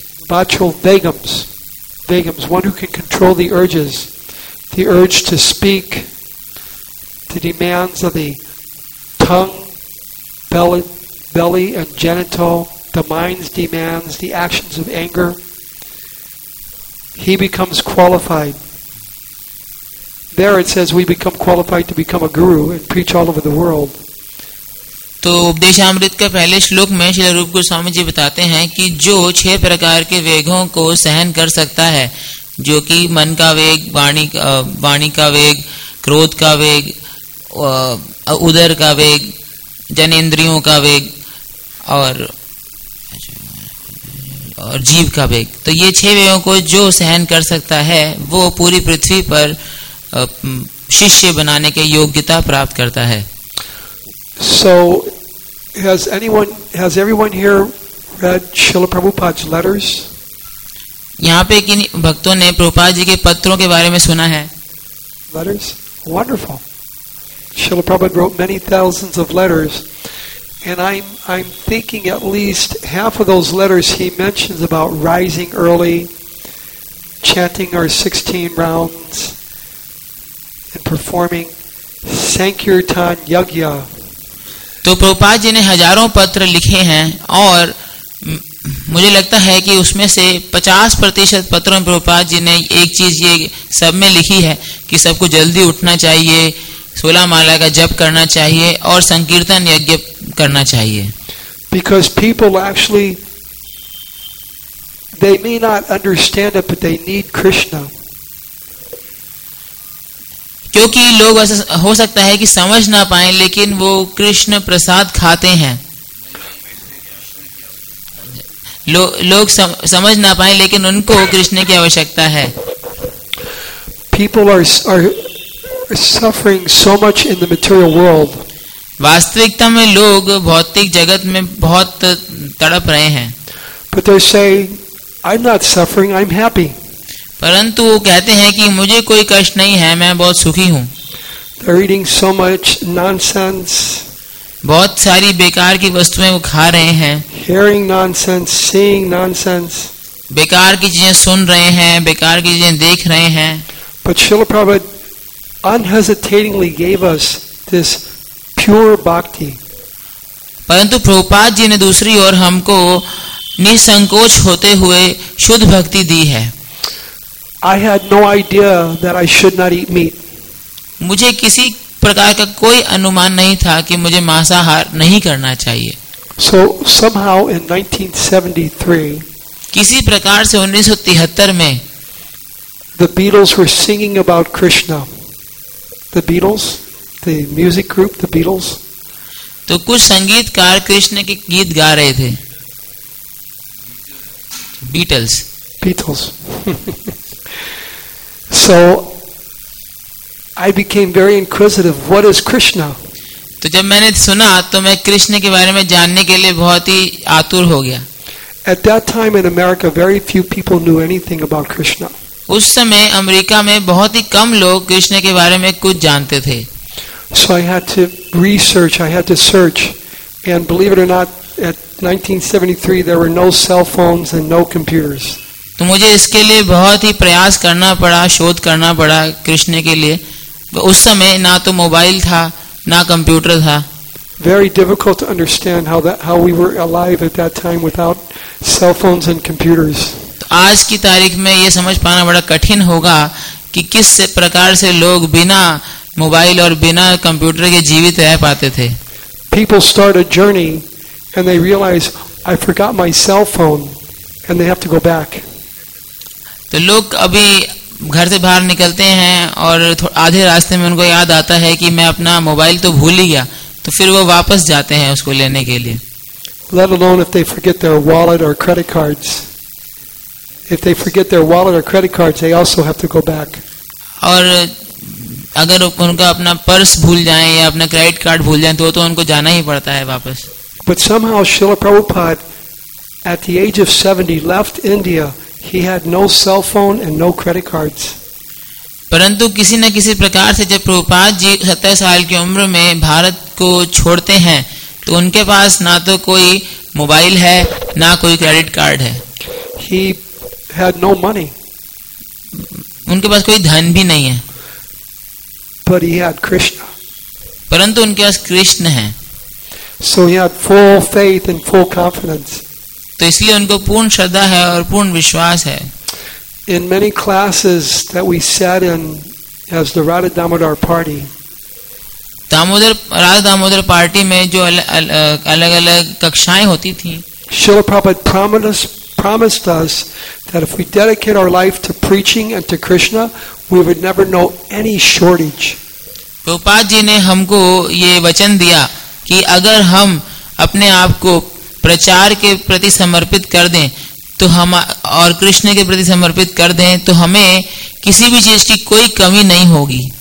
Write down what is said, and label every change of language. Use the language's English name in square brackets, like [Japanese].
[English] Bachal Vegams. Vegams, one who can control the urges, the urge to speak, the demands of the tongue, belly, and genital, the mind's demands, the actions of anger. He becomes qualified. There it says we become qualified to become a guru and preach all over the world. [Hindi] तो उपदेशामृत के पहले श्लोक में श्री रूप गोस्वामी जी बताते हैं कि जो छह प्रकार के वेगों को सहन कर सकता है, जो कि मन का वेग, वाणी का वेग, क्रोध का वेग, उदर का वेग, जनेंद्रियों का वेग और जीव का वेग, तो ये छह वेगों को जो सहन कर सकता है वो पूरी पृथ्वी पर शिष्य बनाने के योग्यता प्राप्त करता है. [English] So, has everyone here read Srila Prabhupada's letters? [Hindi] यहाँ पे किन भक्तों ने प्रभुपाद जी के पत्रों के बारे में सुना है? [English] Letters? Wonderful. Srila Prabhupada wrote many thousands of letters, and I'm thinking at least half of those letters he mentions about rising early, chanting our 16 rounds, and performing Sankirtan Yajna. [Hindi] तो प्रभुपाद जी ने हजारों पत्र लिखे हैं और मुझे लगता है कि उसमें से 50% पत्रों में प्रभुपाद जी ने एक चीज ये सब में लिखी है कि सबको जल्दी उठना चाहिए, 16 माला का जप करना चाहिए और संकीर्तन यज्ञ करना चाहिए. [English] Because people actually, they may not understand it, but they need Krishna. [Hindi] क्योंकि लोग ऐसा हो सकता है कि समझ ना पाए लेकिन वो कृष्ण प्रसाद खाते हैं. लोग समझ ना पाए लेकिन उनको कृष्ण की आवश्यकता है. [English] People are suffering so much in the material world. [Hindi] वास्तविकता में लोग भौतिक जगत में बहुत तड़प रहे हैं. [English] But they're saying, I'm not suffering, I'm happy. [Hindi] परंतु वो कहते हैं कि मुझे कोई कष्ट नहीं है, मैं बहुत सुखी हूँ. [English] They're eating so much nonsense. [Hindi] बहुत सारी बेकार की वस्तुएं वो खा रहे हैं. [English] Hearing nonsense, seeing nonsense. [Hindi] बेकार की चीजें सुन रहे हैं, बेकार की चीजें देख रहे हैं. [English] But Srila Prabhupada unhesitatingly gave us this pure bhakti. [Hindi] परंतु प्रभुपाद जी ने दूसरी ओर हमको निसंकोच होते हुए शुद्ध भक्ति दी है. [English] I had no idea that I should not eat meat. [Hindi] मुझे किसी प्रकार का कोई अनुमान नहीं था कि मुझे मांसाहार नहीं करना चाहिए. [English] So somehow in 1973, [Hindi] किसी प्रकार से 1973 में, [English] the Beatles were singing about Krishna. The Beatles, the music group, the Beatles. [Hindi] तो कुछ संगीतकार कृष्ण के गीत गा रहे थे. [English] Beatles. Beatles. So, I became very inquisitive. What is Krishna? [Hindi] तो जब मैंने सुना तो मैं कृष्ण के बारे में जानने के लिए बहुत ही आतुर हो गया. [English] At that time in America, very few people knew anything about Krishna. [Hindi] उस समय अमेरिका में बहुत ही कम लोग कृष्ण के बारे में कुछ जानते थे. [English] So I had to research. I had to search. And believe it or not, at 1973 there were no cell phones and no computers. [Hindi] तो मुझे इसके लिए बहुत ही प्रयास करना पड़ा, शोध करना पड़ा कृष्ण के लिए. उस समय ना तो मोबाइल था ना कंप्यूटर था. [English] Very difficult to understand how we were alive at that time without cell phones and computers. [Hindi] तो आज की तारीख में ये समझ पाना बड़ा कठिन होगा कि किस प्रकार से लोग बिना मोबाइल और बिना कंप्यूटर के जीवित रह पाते थे. [English] People start a journey and they realize I forgot my cell phone and they have to go back. [Hindi] तो लोग अभी घर से बाहर निकलते हैं और आधे रास्ते में उनको याद आता है कि मैं अपना मोबाइल तो भूल ही गया, तो फिर वो वापस जाते हैं उसको लेने के लिए. [English] Let alone if they forget their wallet or credit cards. If they forget their wallet or credit cards, they also have to go back. [Hindi] और अगर उनका अपना पर्स भूल जाए या अपना क्रेडिट कार्ड भूल जाए तो उनको जाना ही पड़ता है वापस. [English] But somehow Srila Prabhupada, at the age of 70, left India. He had no cell phone and no credit cards. [Hindi] परंतु किसी न किसी प्रकार से जब प्रभुपाद जी 70 साल की उम्र में भारत को छोड़ते हैं तो उनके पास ना तो कोई मोबाइल है ना कोई क्रेडिट कार्ड है. [English] He he had no money. [Hindi] उनके पास कोई धन भी नहीं है. [English] But he had Krishna. [Hindi] परंतु उनके पास कृष्ण है. [English] So he had full faith and full confidence. [Hindi] तो इसलिए उनको पूर्ण श्रद्धा है और पूर्ण विश्वास है. [English] In many classes that we sat in as the Radha Damodar party. [Hindi] Radha Damodar party में जो अलग अलग कक्षाएं होती थी. [English] Srila Prabhupada promised us that if we dedicate our life to preaching and to Krishna, we would never know any shortage. [Hindi] Prabhupada ji ने हमको ये वचन दिया कि अगर हम अपने आप को प्रचार के प्रति समर्पित कर दें तो हम और कृष्ण के प्रति समर्पित कर दें तो हमें किसी भी चीज की कोई कमी नहीं होगी.